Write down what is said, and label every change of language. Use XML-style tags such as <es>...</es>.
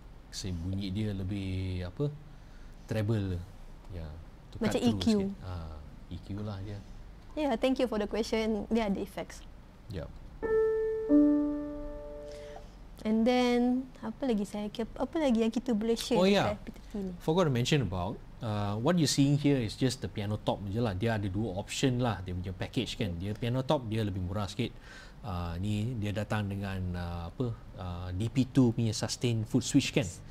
<ms>Saya bunyi dia lebih apa, treble. Macam EQ. EQ lah dia.</ms> <en>Yeah, thank you for the question.</en> <ms>Dia ada effects.</ms> <en>Yeah. And then</en> <ms>apa lagi saya? Apa lagi yang kita boleh share?</ms> <en>Oh yeah. Forgot to mention about what you're seeing here is just the piano top je lah.</en> <ms>Dia ada dua option lah. Dia punya package kan. Dia piano top dia lebih murah sikit. Ni dia datang dengan DP2 punya sustain foot switch kan.</ms>